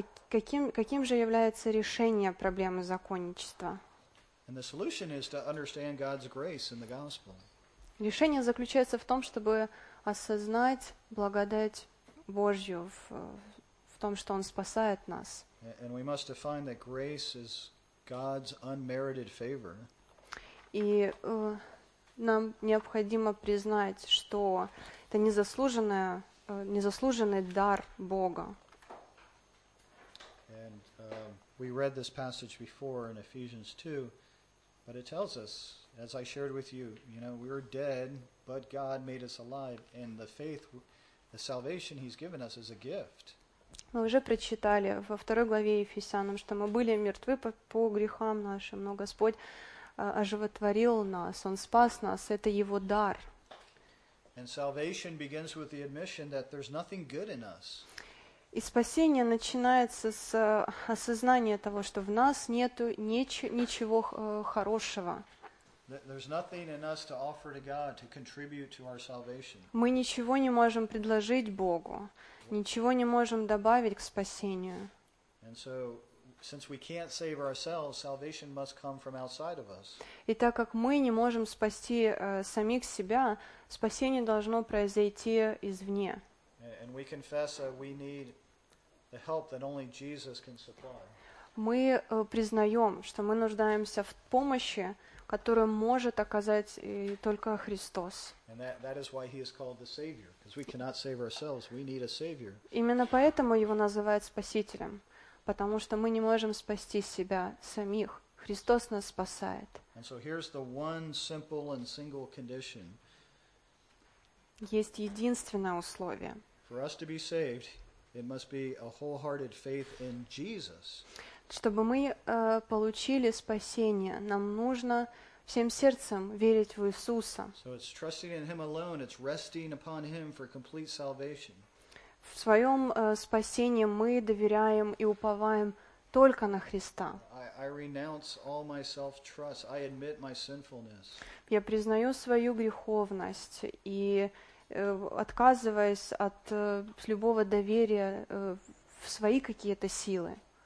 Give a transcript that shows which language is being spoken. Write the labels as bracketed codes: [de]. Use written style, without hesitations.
[ru] Каким же является решение проблемы законничества? [en] And the solution is to understand God's grace in the gospel. [ru] Решение заключается в том, чтобы осознать благодать Божью в том, что Он спасает нас. [en] And we must define that grace is God's unmerited favor. [ru] И нам необходимо признать, что это незаслуженный дар Бога. [en] And we read this passage before in Ephesians 2, but it tells us, as I shared with you, you know, we were dead, but God made us alive, and the faith, the salvation He's given us is a gift. [ru] Мы уже прочитали во второй главе Ефесянам, что мы были мертвы по грехам нашим, но Господь оживотворил нас, Он спас нас, это Его дар. [en] And salvation begins with the admission that there's nothing good in us. [ru] И спасение начинается с осознания того, что в нас нету ничего хорошего. [en] There's nothing in us to offer to God to contribute to our salvation. [ru] Мы ничего не можем предложить Богу, ничего не можем добавить к спасению. [en] And so, since we can't save ourselves, salvation must come from outside of us. [ru] И так как мы не можем спасти самих себя, спасение должно произойти извне. [en] And we confess that we need the help that only Jesus can supply. [ru] Мы признаем, что мы нуждаемся в помощи, которую может оказать только Христос. [en] And that is why He is called the Savior, because we cannot save ourselves, we need a Savior. [ru] Именно поэтому Его называют Спасителем, потому что мы не можем спасти себя самих. Христос нас спасает. [en] And so here's the one simple and single condition. [ru] Есть единственное условие. [en] For us to be saved, it must be a wholehearted faith in Jesus. [ru] Чтобы мы получили спасение, нам нужно всем сердцем верить в Иисуса. [en] So it's trusting in Him alone, it's resting upon Him for complete salvation. [ru] В своем спасении мы доверяем и уповаем только на Христа. [en] I renounce all my self-trust. I admit my sinfulness. [ru] Я признаю свою греховность и отказываясь от любого доверия в свои какие-то силы.